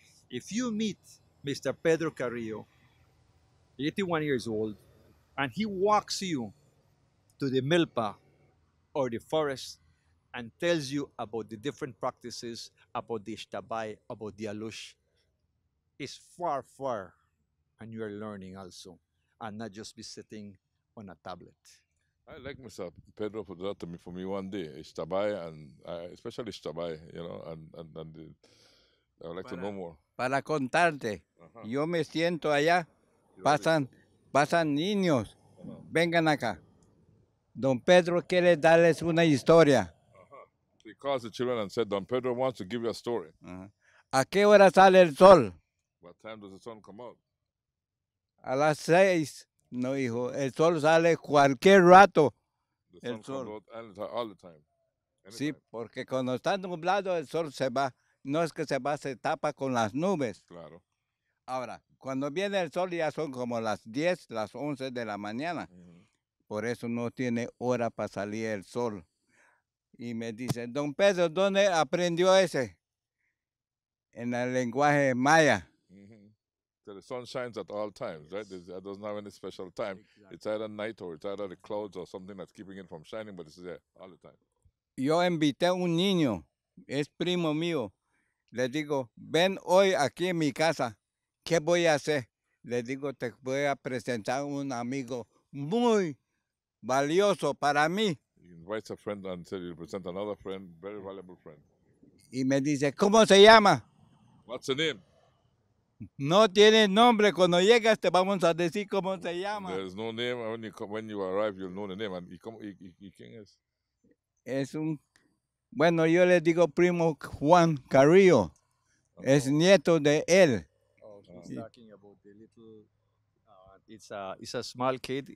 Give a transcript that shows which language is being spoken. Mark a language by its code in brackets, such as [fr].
[en] If you meet Mr. Pedro Carrillo, 81 years old, and he walks you to the milpa or the forest and tells you about the different practices, about the Ishtabai, about the Alush, it's far, far. And you are learning also, and not just be sitting on a tablet. I like Mr. Pedro put that to me for me one day. Ishtabai, and especially Ishtabai, you know, and I would like to know more. [es] Para contarte, uh-huh. Yo me siento allá, pasan niños, uh-huh. Vengan acá. Don Pedro quiere darles una historia. [en] Uh-huh. He calls the children and said, Don Pedro wants to give you a story. [es] Uh-huh. ¿A qué hora sale el sol? [en] What time does the sun come out? [es] A las seis, no hijo, el sol sale cualquier rato, el sol. [en] All the time. Anytime. [es] Sí, porque cuando está nublado el sol se va, no es que se va, se tapa con las nubes. Claro. Ahora, cuando viene el sol ya son como las 10, las 11 de la mañana. Uh-huh. Por eso no tiene hora para salir el sol. Y me dice, Don Pedro, ¿dónde aprendió ese? En el lenguaje maya. [en] The sun shines at all times, right? It doesn't have any special time. Exactly. It's either night or it's either the clouds or something that's keeping it from shining, but it's there all the time. [es] Yo invité un niño, es primo mío. Le digo, ven hoy aquí en mi casa. ¿Qué voy a hacer? le digo, te voy a presentar un amigo muy valioso para mí. [en] He invites a friend and said he'll present another friend, very valuable friend. [es] Y me dice, ¿cómo se llama? [en] What's the name? [es] No tiene nombre. Cuando llegas te vamos a decir cómo se llama. [en] There's no name. When you come, when you arrive, you'll know the name. [es] And ¿quién es? Es un... Bueno, yo le digo primo Juan Carrillo. Okay. Es nieto de él. [en] Oh, he's talking about the little... It's a small kid.